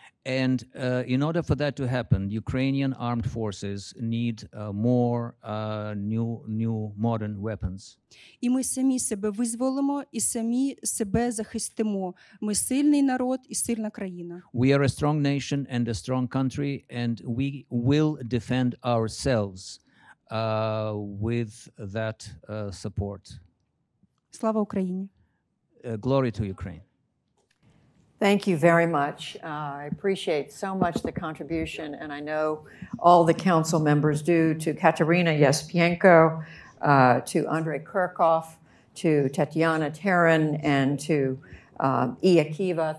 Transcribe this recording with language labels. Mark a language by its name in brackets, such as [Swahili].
[English] And in order for that to happen, Ukrainian armed forces need more new modern weapons. [Ukrainian] І ми самі себе визволимо і самі себе захистимо. Ми сильний народ і сильна країна. [English] We are a strong nation and a strong country, and we will defend ourselves with that support. [Ukrainian] Слава Україні! [English] Glory to Ukraine! Thank you very much. I appreciate so much the contribution, and I know all the council members do, to Kateryna Yesypenko, to Andriy Kurkov, to Tetyana Teren, and to Iya Kiva.